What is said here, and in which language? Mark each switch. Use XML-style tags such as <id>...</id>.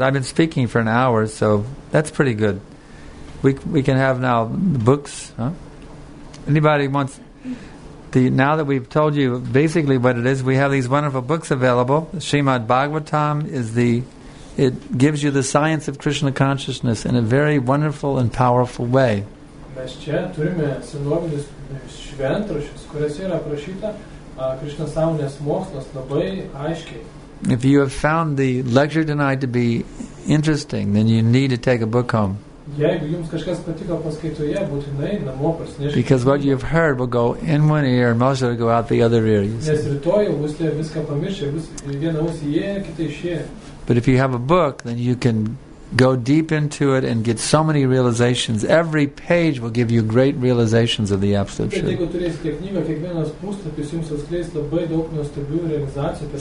<en>I've been speaking for an hour, so that's pretty good. We can have now the books. Huh? Anybody wants the, now that we've told you basically what it is, we have these wonderful books available. Srimad Bhagavatam is the, it gives you the science of Krishna consciousness in a very wonderful and powerful way.</en> <lt>Mes čia turime senovinius šventraščius, kuriuose yra aprašyta Krishna sąmonės mokslas labai aiškiai.</lt> <en>If you have found the lecture tonight to be interesting, then you need to take a book home.</en> <lt>Jeigu jums kažkas patiko paskaitoje, būtinai namo parsineškite.</lt> <en>Because what you've heard will go in one ear and most of it will go out the other ear.</en> <lt>Nes rytoj bus viską pamiršę, bus viena ausį įėję, kita išėję.</lt> <en>But if you have a book, then you can go deep into it and get so many realizations. Every page will give you great realizations of the Absolute Truth.</en>